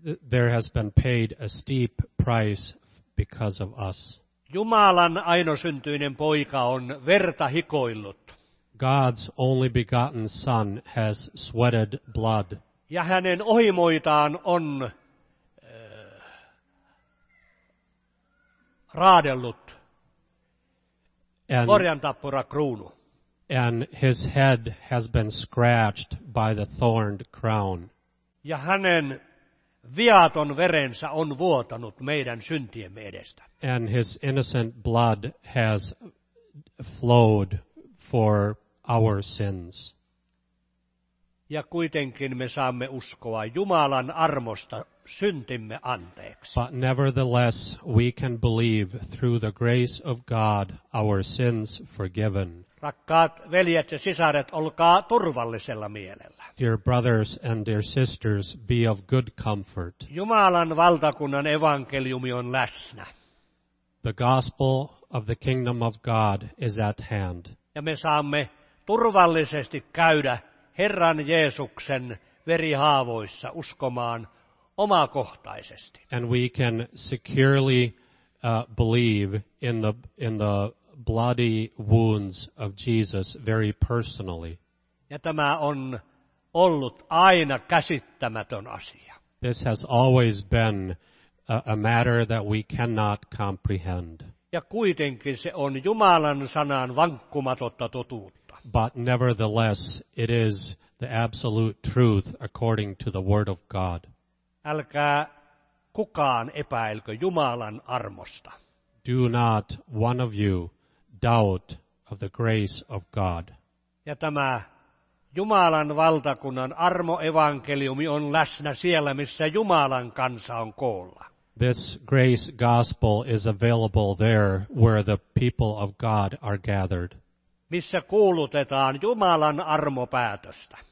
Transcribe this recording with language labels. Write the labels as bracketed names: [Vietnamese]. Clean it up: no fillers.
[English] There has been paid a steep price because of us. [Finnish] Jumalan ainosyntyinen poika on verta hikoillut. [English] God's only begotten son has sweated blood. [Finnish] Ja hänen ohimoitaan on raadellut orjantappura kruunu. [English] And his head has been scratched by the thorned crown. [Finnish] Ja hänen viaton verensä on vuotanut meidän syntiemme edestä. [English] And his innocent blood has flowed for our sins. [Finnish] Ja kuitenkin me saamme uskoa Jumalan armosta syntimme anteeksi. [English] But nevertheless we can believe through the grace of God our sins forgiven. [Finnish] Rakkaat veljet ja sisaret, olkaa turvallisella mielellä. [English] Dear brothers and dear sisters, be of good comfort. [Finnish] Jumalan valtakunnan evankeliumi on läsnä. [English] The gospel of the kingdom of God is at hand. [Finnish] Ja me saamme turvallisesti käydä Herran Jeesuksen verihaavoissa uskomaan omakohtaisesti. [English] And we can securely believe in the bloody wounds of Jesus very personally. [Finnish] Ja tämä on ollut aina käsittämätön asia. [English] This has always been a matter that we cannot comprehend. [Finnish] Ja kuitenkin se on Jumalan sanan vankkumatonta totuutta. [English] But nevertheless, it is the absolute truth according to the word of God. [Finnish] Älkää kukaan epäilkö Jumalan armosta. [English] Do not one of you doubt of the grace of God. [Finnish] Ja tämä Jumalan valtakunnan armo evankeliumi on läsnä siellä, missä Jumalan kansa on koolla. [English] This grace gospel is available there where the people of God are gathered. [Finnish] Missä kuulutetaan Jumalan armopäätöstä.